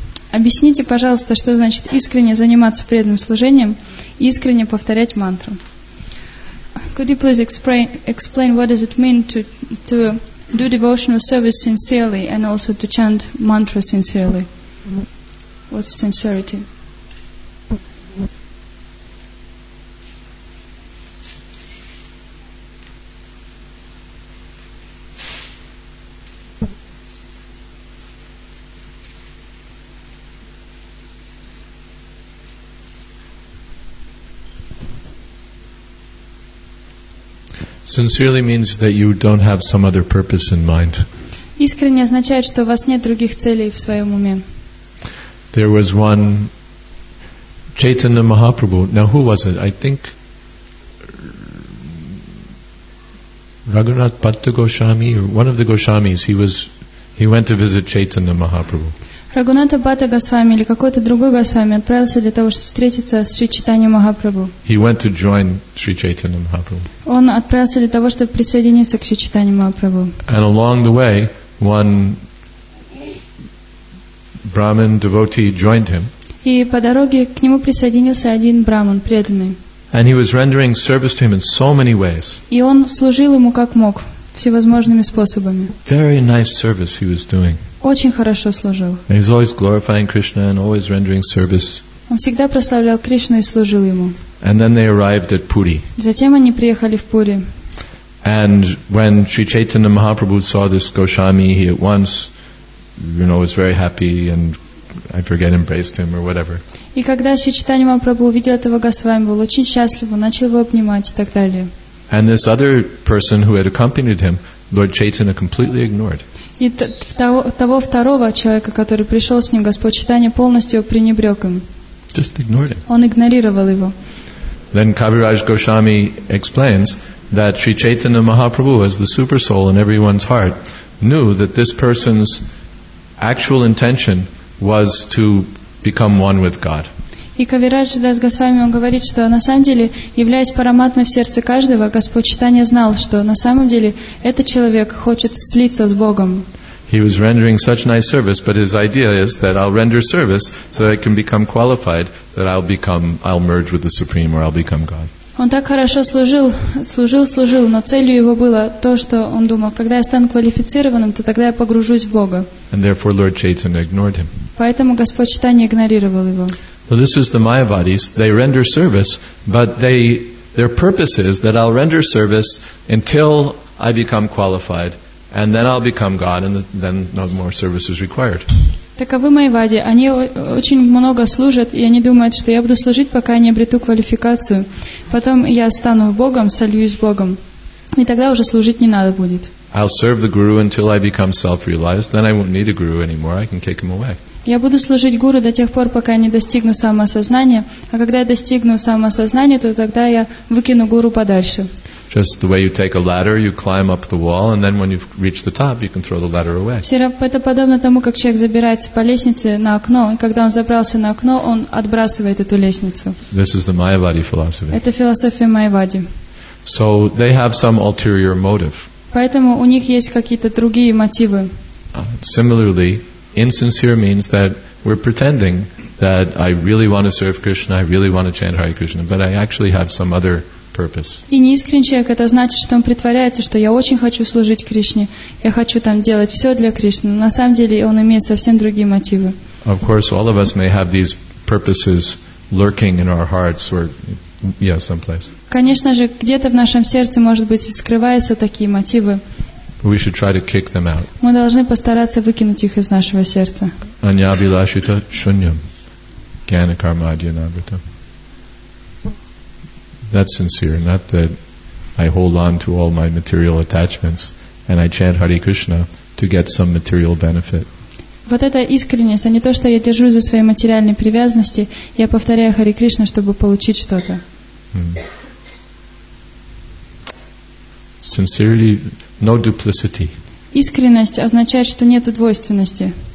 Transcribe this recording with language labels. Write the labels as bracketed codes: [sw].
[ru] Объясните, пожалуйста, что значит искренне заниматься преданным служением и искренне повторять мантру. [en] Could you please explain what does it mean to do devotional service sincerely and also to chant mantra sincerely? What's sincerity? Sincerely means that you don't have some other purpose in mind. [ru] Искренне означает, что у вас нет других целей в своем уме. [en] There was one Chaitanya Mahaprabhu. Now who was it? I think Raghunath Bhatta Goswami or one of the Goswamis. He went to visit Chaitanya Mahaprabhu. [ru] Raghunatha Bhatta Goswami или какой-то другой Госвами отправился для того, чтобы встретиться с Шри Чайтанья Махапрабху. [en] He went to join Sri Chaitanya Mahaprabhu. [ru] Он отправился для того, чтобы присоединиться к Шри Чайтанья Махапрабху. [en] And along the way, one Brahmin devotee joined him. [ru] И по дороге к нему присоединился один Брахман, преданный. [en] And he was rendering service to him in so many ways. [ru] И он служил ему как мог, всевозможными способами. [en] Very nice service he was doing. [ru] Очень хорошо служил. [en] And he's always glorifying Krishna and always rendering service. [ru] Он всегда прославлял Кришну и служил ему. [en] And then they arrived at Puri. [ru] Затем они приехали в Пури. [en] And when Sri Chaitanya Mahaprabhu saw this Goswami, he at once, was very happy and I forget, embraced him or whatever. [ru] И когда Шри Чайтанья Махапрабху увидел этого Госвами, был очень счастлив, он начал его обнимать и так далее. [en] And this other person who had accompanied him, Lord Chaitanya completely ignored. [ru] И того второго человека, который пришел с ним, Господь Чайтанья полностью пренебрег им. [en] Just ignored him. [ru] Он игнорировал его. [en] Then Kaviraj Goswami explains that Sri Chaitanya Mahaprabhu, as the super soul in everyone's heart, knew that this person's actual intention was to become one with God. [ru] И Кавираджа Дас Госвами, он говорит, что на самом деле, являясь параматмой в сердце каждого, Господь Чайтанья знал, что на самом деле этот человек хочет слиться с Богом. [en] He was rendering such nice service, but his idea is that I'll render service so that I can become qualified, that I'll merge with the Supreme, or I'll become God. [ru] Он так хорошо служил, но целью его было то, что он думал, когда я стану квалифицированным, то тогда я погружусь в Бога. [en] And therefore Lord Chaitanya ignored him. [ru] Поэтому Господь Чайтанья игнорировал его. [en] So this is the Mayavadis. They render service, but their purpose is that I'll render service until I become qualified, and then I'll become God, and then no more service is required. [ru] Таковы Майвади. Они очень много служат, и они думают, что я буду служить, пока не обрету квалификацию. Потом я стану Богом, сольюсь с Богом. И тогда уже служить не надо будет. [en] I'll serve the Guru until I become self-realized, then I won't need a Guru anymore, I can kick him away. [ru] Я буду служить Гуру до тех пор, пока я не достигну самосознания, а когда я достигну самосознания, то тогда я выкину Гуру подальше. [en] Just the way you take a ladder, you climb up the wall, and then when you've reached the top, you can throw the ladder away. [ru] Это подобно тому, как человек забирается по лестнице на окно, и когда он забрался на окно, он отбрасывает эту лестницу. [en] This is the Mayavadi philosophy. [ru] Это философия Майявади. [en] So they have some ulterior motive. [ru] Поэтому у них есть какие-то другие мотивы. [en] Similarly, insincere means that we're pretending that I really want to serve Krishna, I really want to chant Hare Krishna, but I actually have some other purpose. [ru] И неискренний человек, это значит, что он притворяется, что я очень хочу служить Кришне, я хочу там делать все для Кришны, но на самом деле он имеет совсем другие мотивы. [en] Of course, all of us may have these purposes lurking in our hearts or, yeah, someplace. [ru] Конечно же, где-то в нашем сердце, может быть, скрываются такие мотивы. [en] We should try to kick them out. [ru] Мы должны постараться выкинуть их из нашего сердца. [sa] Anyabhilashita shunyam jnana karma adyanavrita. [en] That's sincere. Not that I hold on to all my material attachments and I chant Hare Krishna to get some material benefit. [ru] Вот это искренность, а не то, что я держусь за свои материальные привязанности, я повторяю Hare Krishna, чтобы получить что-то. [en] Sincerity, no duplicity. [ru] Искренность означает, что нет двойственности.